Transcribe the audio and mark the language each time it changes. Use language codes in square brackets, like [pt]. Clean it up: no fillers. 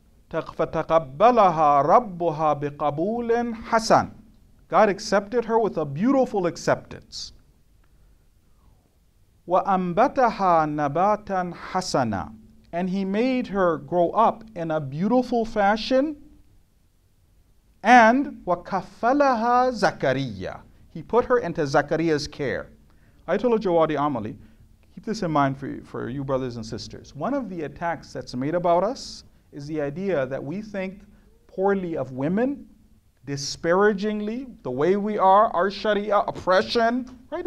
[ar] فَتَقَبَّلَهَا رَبُّهَا بِقَبُولٍ حَسَنٍ. [en] God accepted her with a beautiful acceptance. [ar] وَأَنْبَتَهَا نَبَاتًا حَسَنًا. [en] And he made her grow up in a beautiful fashion. [ar] And وَكَفَّلَهَا زَكَرِيَّا. [en] He put her into Zachariah's care. I told Jawadi Amali, keep this in mind for you brothers and sisters. One of the attacks that's made about us is the idea that we think poorly of women, disparagingly, the way we are, our sharia, oppression. Right?